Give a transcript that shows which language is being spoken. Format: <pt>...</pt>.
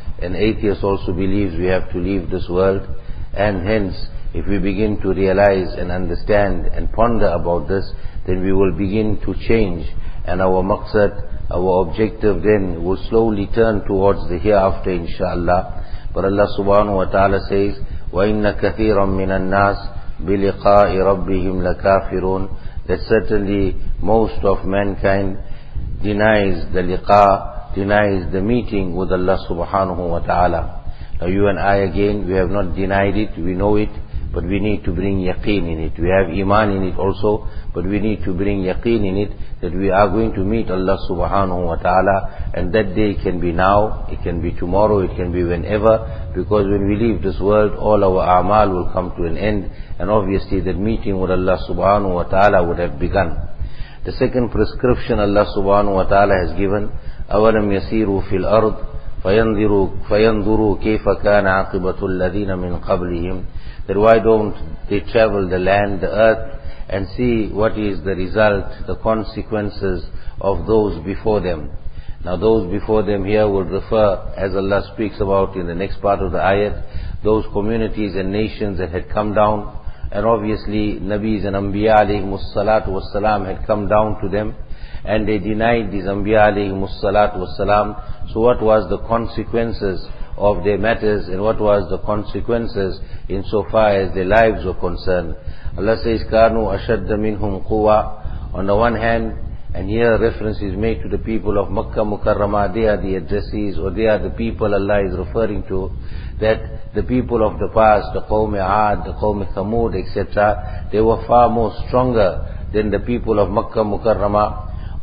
<en>An atheist also believes we have to leave this world. And hence, if we begin to realize and understand and ponder about this, then we will begin to change. And our maqsad, our objective then will slowly turn towards the hereafter, inshallah. But Allah subhanahu wa ta'ala says,</en> <ar>وَإِنَّ كَثِيرًا مِنَ النَّاسِ بِلِقَاءِ رَبِّهِمْ لَكَافِرُونَ.</ar> <en>That certainly most of mankind denies the liqa, denies the meeting with Allah subhanahu wa ta'ala. Now you and I again, we have not denied it, we know it, but we need to bring yaqeen in it. We have iman in it also, but we need to bring yaqeen in it, that we are going to meet Allah subhanahu wa ta'ala, and that day can be now, it can be tomorrow, it can be whenever, because when we leave this world, all our a'mal will come to an end, and obviously that meeting with Allah subhanahu wa ta'ala would have begun. The second prescription Allah subhanahu wa ta'ala has given,</en> <ar>أَوَلَمْ يَسِيرُوا فِي الْأَرْضِ فَيَنْظُرُوا كَيْفَ كَانَ عَقِبَةُ الَّذِينَ مِنْ قَبْلِهِمْ.</ar> <en>That why don't they travel the land, the earth, and see what is the result, the consequences of those before them. Now those before them here will refer, as Allah speaks about in the next part of the ayat, those communities and nations that had come down, and obviously Nabis and Anbiya alayhimus salatu was salam had come down to them, and they denied these Anbiya alayhimus salatu was salam. So what was the consequences of their matters, and what was the consequences insofar as their lives were concerned? Allah says,</en> <ar>كَانُوا أَشَدَّ مِنْهُمْ قُوَىٰ.</ar> <en>On the one hand, and here reference is made to the people of Makkah Mukarramah, they are the addressees, or they are the people Allah is referring to, that the people of the past, the Qawmi Aad, the Qawmi Thamud, etc., they were far more stronger than the people of Makkah Mukarramah.</en>